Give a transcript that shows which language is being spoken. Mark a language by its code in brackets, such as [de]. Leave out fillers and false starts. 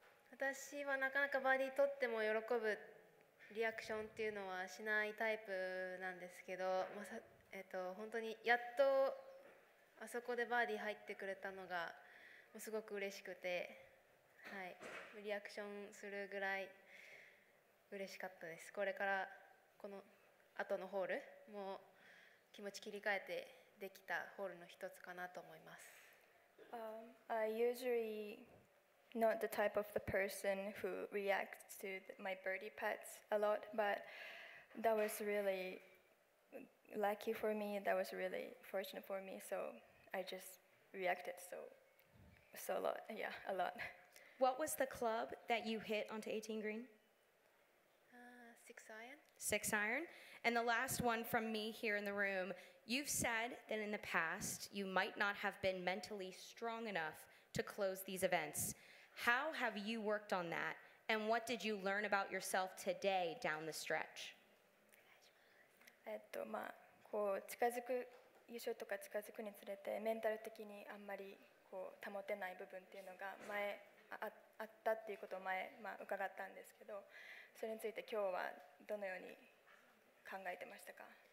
[ja] 私はなかなかバーディー取っても喜ぶリアクションっていうのはしないタイプなんですけど、まあ本当にやっとあそこでバーディー入ってくれたのがすごく嬉しくて、はい、リアクションするぐらい嬉しかったです。これからこの後のホールも気持ち切り替えてできたホールの一つかなと思います。 [en] I usually not the type of the person who reacts to my birdie putts a lot, but that was really lucky for me, that was really fortunate for me, so I just reacted so a lot, yeah, a lot. What was the club that you hit onto 18 green? 6 iron. 6 iron. And the last one from me here in the room, you've said that in the past you might not have been mentally strong enough to close these events. How have you worked on that? And what did you learn about yourself today down the stretch? [ja] まあ、こう近づく優勝とか近づくにつれてメンタル的にあんまりこう保てない部分っていうのが前 あったっていうことを前、まあ、伺ったんですけど、それについて今日はどのように考えてましたか？